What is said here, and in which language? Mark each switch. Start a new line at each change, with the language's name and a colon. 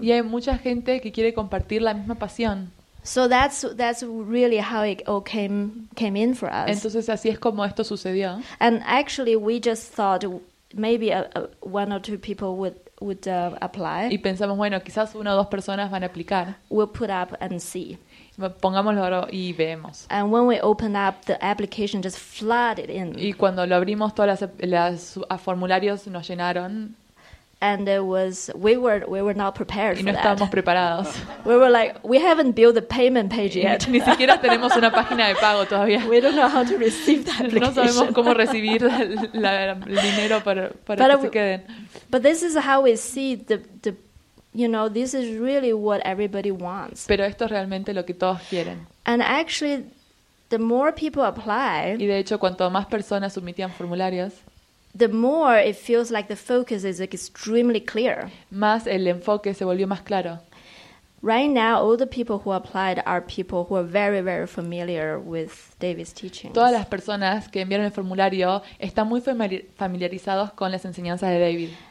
Spanish: Y hay mucha gente que quiere compartir la misma pasión.
English: So that's really how it all came in for us.
Spanish: Entonces así es como esto sucedió.
English: And actually we just thought maybe one or two people would apply.
Spanish: Y pensamos, bueno, quizás una o dos personas van a aplicar.
English: We'll put up and see.
Spanish: Pongámoslo y vemos.
English: And when we opened up, the application just flooded in.
Spanish: Y cuando lo abrimos, todas las formularios nos llenaron.
English: And it was we were not prepared.
Spanish: Y no estábamos preparados.
English: We were like, we haven't built the payment page yet.
Spanish: Ni siquiera tenemos una página de pago todavía.
English: We don't know how to receive that application.
Spanish: No sabemos cómo recibir el dinero para que se queden.
English: But this is how we see the you know, this is really what everybody wants.
Spanish: Pero esto es realmente lo que todos quieren.
English: And actually, the more people apply,
Spanish: y de hecho, cuanto más personas submitían formularios,
English: the more it feels like the focus is extremely clear.
Spanish: Más el enfoque se volvió más claro.
English: Right now, all the people who applied are people who are very, very familiar with David's teachings.
Spanish: Todas las personas que enviaron el formulario están muy familiarizados con las enseñanzas de David.